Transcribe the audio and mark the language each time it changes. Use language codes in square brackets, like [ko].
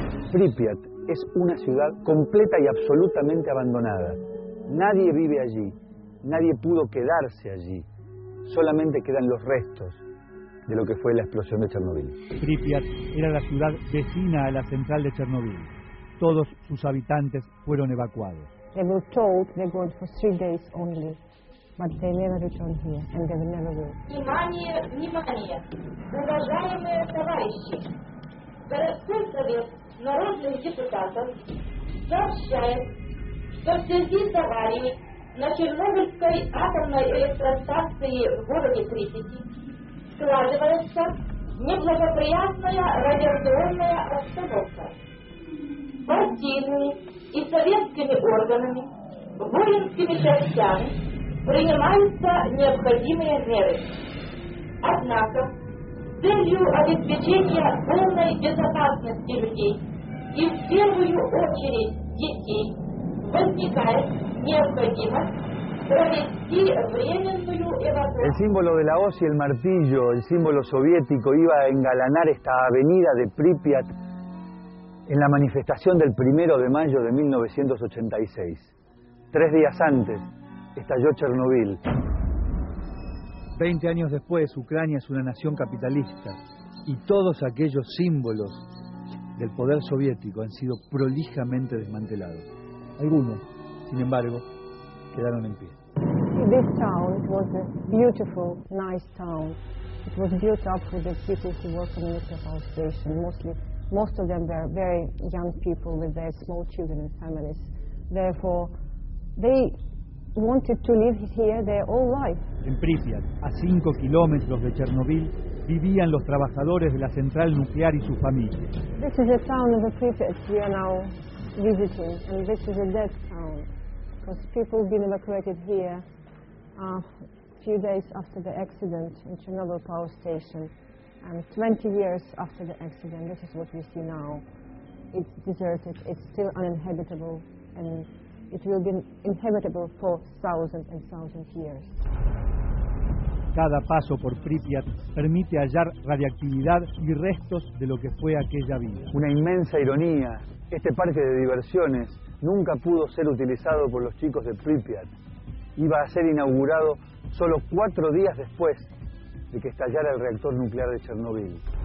[es] Pripyat es una ciudad completa y absolutamente abandonada. Nadie vive allí, nadie pudo quedarse allí. Solamente quedan los restos de lo que fue la explosión de Chernobyl. Pripyat era la ciudad vecina a la central de Chernobyl. Todos sus habitantes fueron evacuados. [en] They were told they went for 3 days only, but they never returned here and they never will. [ru] Внимание, внимание, уважаемые товарищи, городской совет народных депутатов сообщает, что в связи с аварией на Чернобыльской атомной электростанции в городе Припяти складывается неблагоприятная радиационная обстановка. Партийными и советскими органами, воинскими частями принимаются необходимые меры. Однако, с целью обеспечения полной безопасности людей и в первую очередь детей возникает необходимость [es] El símbolo de la hoz y el martillo, el símbolo soviético, iba a engalanar esta avenida de Pripyat en la manifestación del 1 de mayo de 1986. 3 días antes, estalló Chernobyl. 20 años después, Ucrania es una nación capitalista y todos aquellos símbolos del poder soviético han sido prolijamente desmantelados. Algunos, sin embargo, quedaron en pie. [en] This town was a beautiful, nice town. It was built up for the people who work on the nuclear power station. Most of them were very young people with their small children and families. Therefore, they wanted to live here their whole life. [es] En Pripyat, a 5 kilómetros de Chernobyl, vivían los trabajadores de la central nuclear y sus familias. [en] This is the town of Pripyat we are now visiting, and this is a death town because people have been evacuated here. A few days after the accident in Chernobyl power station, and 20 years after the accident, this is what we see now. It's deserted, it's still uninhabitable, and it will be inhabitable for thousands and thousands of years. [es] Cada paso por Pripyat permite hallar radiactividad y restos de lo que fue aquella vida. Una inmensa ironía, este parque de diversiones nunca pudo ser utilizado por los chicos de Pripyat. Iba a ser inaugurado solo 4 días después de que estallara el reactor nuclear de Chernobyl.